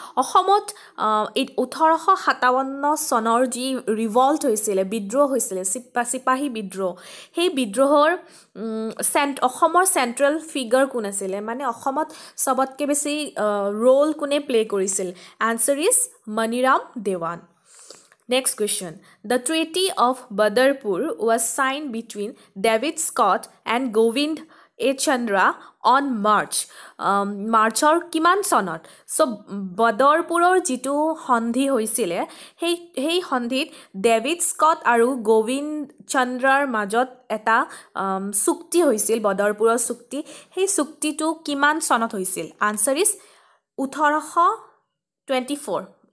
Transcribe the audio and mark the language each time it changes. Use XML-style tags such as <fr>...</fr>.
<as>অসমত 1857 চনৰ যি ৰিভল্ট হৈছিলে, বিদ্ৰোহ হৈছিলে, চিপাহী বিদ্ৰোহ, সেই বিদ্ৰোহৰ অসমৰ চেণ্ট্ৰেল ফিগাৰ কোন আছিলে, মানে অসমত চবতকৈ বেছি ৰ'ল কোনে প্লে কৰিছিল?</as> <en>Answer is Maniram Dewan. Next question, the treaty of Badarpur was signed between David Scott and Govind A. Chandra on March.</en> <as>মাৰ্চৰ কিমান চনত? চ' বদৰপুৰৰ যিটো সন্ধি হৈছিলে, সেই সন্ধিত ডেভিড স্কট আৰু গোবিন্দ চন্দ্ৰাৰ মাজত এটা চুক্তি হৈছিল, বদৰপুৰৰ চুক্তি. সেই চুক্তিটো কিমান চনত হৈছিল?</as> <en>answer is</en> <as>1824.</as>